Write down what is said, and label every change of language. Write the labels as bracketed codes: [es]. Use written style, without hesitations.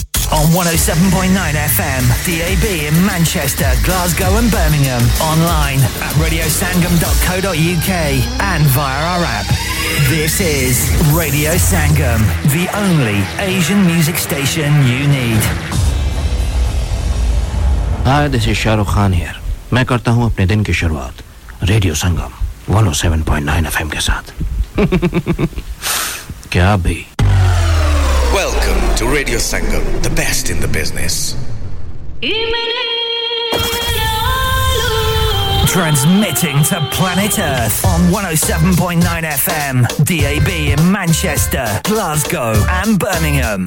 [en] on 107.9 FM, DAB in Manchester, Glasgow and Birmingham, online at radiosangam.co.uk and via our app. This is Radio Sangam, the only Asian music station you need. Hi, this is Shah Rukh Khan here. [hi] मैं करता हूँ अपने दिन की शुरुआत radio संगम 107.9 FM के साथ क्या भी [en] Welcome to Radio Sangam, the best in the business. Transmitting to planet Earth on 107.9 FM, DAB in Manchester, Glasgow and Birmingham.